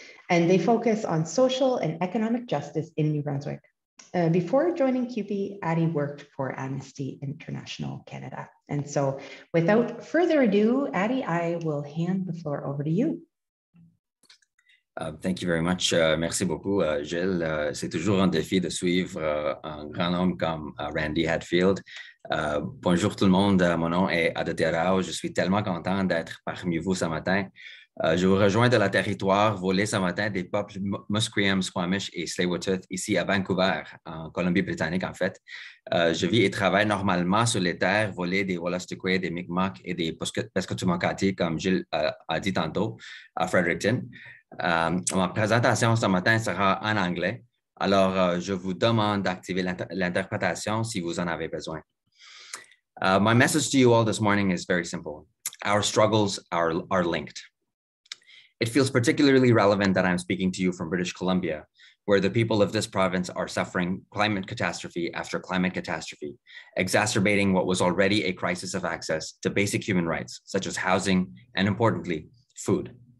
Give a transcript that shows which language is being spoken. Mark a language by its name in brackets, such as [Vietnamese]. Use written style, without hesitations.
[English] And they focus on social and economic justice in New Brunswick. Before joining CUPE, Addy worked for Amnesty International Canada. And so without further ado, Addy, I will hand the floor over to you. Thank you very much. [French] Merci beaucoup, [English] Gilles. [French] C'est toujours un défi de suivre un grand homme comme Randy Hatfield. Bonjour tout le monde. Mon nom est Aditya Rao. Je suis tellement content d'être parmi vous ce matin. Je vous rejoins de la territoire volée ce matin des peuples Musqueam, Squamish et Tsleil-Waututh ici à Vancouver, en Colombie-Britannique en fait. Je vis et travaille normalement sur les terres volées des Wolastoqiyik, des Mi'kmaq et des Passamaquoddy, comme Gilles a dit tantôt, à Fredericton. Ma présentation ce matin sera en anglais, alors je vous demande d'activer l'interprétation si vous en avez besoin. [English] My message to you all this morning is very simple. Our struggles are linked. It feels particularly relevant that I'm speaking to you from British Columbia, where the people of this province are suffering climate catastrophe after climate catastrophe, exacerbating what was already a crisis of access to basic human rights, such as housing and, importantly, food.